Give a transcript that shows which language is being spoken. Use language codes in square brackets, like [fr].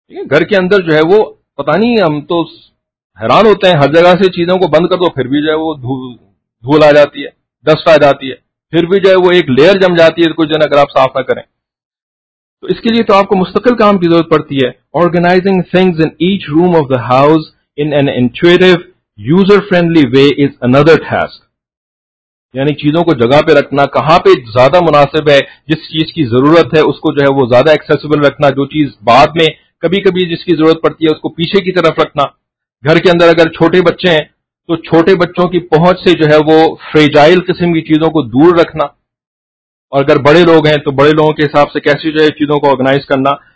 [ur] گھر کے اندر جو ہے وہ پتا نہیں, ہم تو حیران ہوتے ہیں, ہر جگہ سے چیزوں کو بند کر دو پھر بھی جو ہے وہ دھول آ جاتی ہے, ڈسٹ آ جاتی ہے, پھر بھی جو ہے وہ ایک لیئر جم جاتی ہے کچھ دن اگر آپ صاف نہ کریں. تو اس کے لیے تو آپ کو مستقل کام کی ضرورت پڑتی ہے. [en] Organising things in each room of the house in an intuitive user friendly way is another task. [ur] یعنی چیزوں کو جگہ پہ رکھنا, کہاں پہ زیادہ مناسب ہے, جس چیز کی ضرورت ہے اس کو جو ہے وہ زیادہ ایکسیسیبل رکھنا, جو چیز بعد میں کبھی کبھی جس کی ضرورت پڑتی ہے اس کو پیچھے کی طرف رکھنا. گھر کے اندر اگر چھوٹے بچے ہیں تو چھوٹے بچوں کی پہنچ سے جو ہے وہ فریجائل قسم کی چیزوں کو دور رکھنا, اور اگر بڑے لوگ ہیں تو بڑے لوگوں کے حساب سے کیسے جو ہے چیزوں کو آرگنائز کرنا.